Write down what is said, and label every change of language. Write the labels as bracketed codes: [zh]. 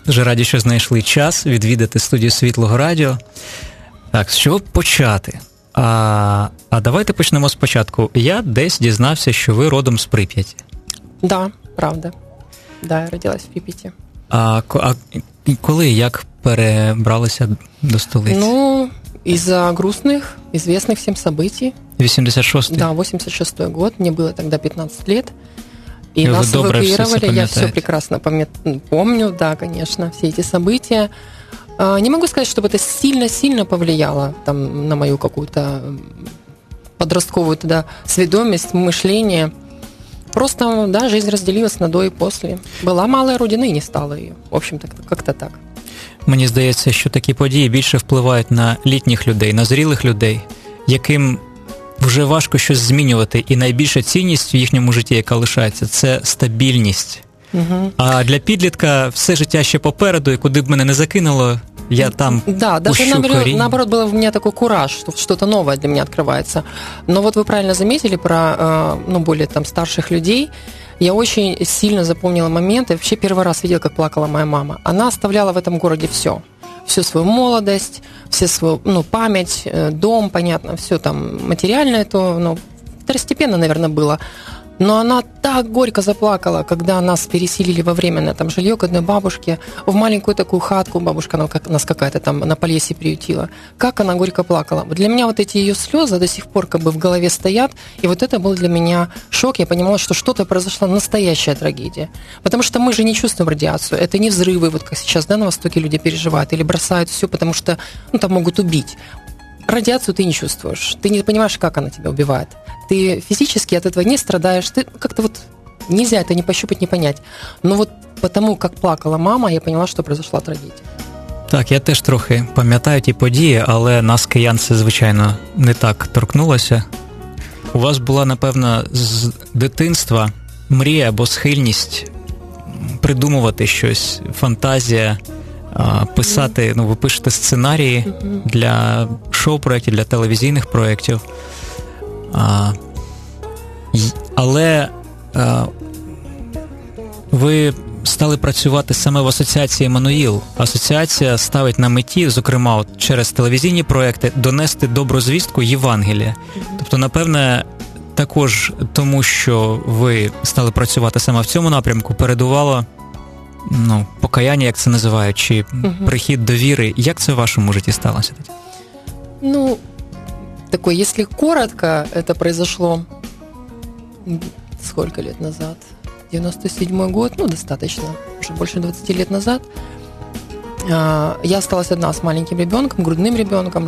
[uk] Дуже раді, що знайшли час відвідати студію Світлого Радіо. Так, з чого почати? А давайте почнемо спочатку. Я десь дізнався, що ви родом з Прип'яті. [ru] Да, правда. Да, я родилась в Прип'яті. [uk] А коли, як перебралися до столиці? [ru] Ну, из-за грустных, известных всем событий. 86-й? Да, 86-й год. Мне было тогда 15 лет. И нас эвакуировали. Я все прекрасно помню, да, конечно, все эти события. Не могу сказать, чтобы это сильно-сильно повлияло там, на мою какую-то подростковую тогда сведомость, мышление. Просто, да, жизнь разделилась на до и после. Была малая родина и не стала ее. В общем-то, как-то так. [uk] Мені здається, що такі події більше впливають на літніх людей, на зрілих людей, яким вже важко щось змінювати. І найбільша цінність в їхньому житті, яка лишається, це стабільність. Угу. А для підлітка все життя ще попереду, і куди б мене не закинуло, я там пущу коріння. [ru] Да, наоборот, [uk] було в мене такий кураж, що щось нове для мене відкривається. Но от ви правильно заметили про більш там старших людей. [ru] Я очень сильно запомнила момент, я вообще первый раз видела, как плакала моя мама. Она оставляла в этом городе все. Всю свою молодость, всю свою память, дом, понятно, все там материальное, то второстепенно, наверное, было. Но она так горько заплакала, когда нас переселили во временное там жилье к одной бабушке, в маленькую такую хатку, бабушка нас какая-то там на Полесье приютила. Как она горько плакала. Вот для меня вот эти ее слезы до сих пор как бы в голове стоят, и вот это был для меня шок. Я понимала, что что-то произошло, настоящая трагедия. Потому что мы же не чувствуем радиацию, это не взрывы, вот как сейчас, да, на Востоке люди переживают или бросают все, потому что, ну, там могут убить. Радиацию ты не чувствуешь, ты не понимаешь, как она тебя убивает. Ты физически от этого не страдаешь, ты как-то вот нельзя это не пощупать, не понять. Но вот потому, как плакала мама, я поняла, что произошла трагедия. [uk] Так, я теж трохи пам'ятаю ті події, але нас, киян, це, звичайно, не так торкнулося. У вас була, напевно, з дитинства мрія або схильність придумувати щось, фантазія, писати, ви пишете сценарії для шоу-проєктів, для телевізійних проєктів. Але ви стали працювати саме в асоціації «Еммануїл». Асоціація ставить на меті, зокрема, от через телевізійні проєкти, донести добру звістку Євангелія. Тобто, напевне, також тому, що ви стали працювати саме в цьому напрямку, передувало покаяння, як це називають, чи прихід до віри. Як це в вашому житті сталося? [ru] Ну, такое, если коротко, это произошло сколько лет назад? 97-й год, достаточно, уже больше 20 лет назад. Я осталась одна с маленьким ребенком, грудным ребенком.